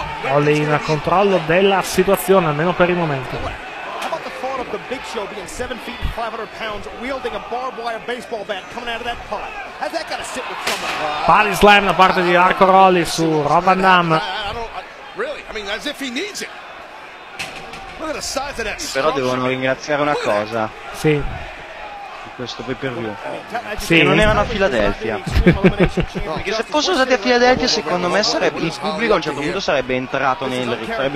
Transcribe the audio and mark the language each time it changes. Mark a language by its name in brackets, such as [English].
[Italian] Holly in controllo della situazione, almeno per il momento. [English] The Big Show being 7 feet and 500 pounds, wielding a barbed wire baseball bat coming out of that pot. Has that got to sit with somebody? [Italian] Body slam da parte di Arco Rolli su Rob Van Dam. [English] Really? I mean, as if he needs it. Look at the size of that. [Italian] Però devono ringraziare una cosa. Sì. Questo pay per view. Sì. Che non erano a Filadelfia. Perché se fossero stati a Filadelfia, secondo me sarebbe il pubblico a un certo punto sarebbe entrato nel sarebbe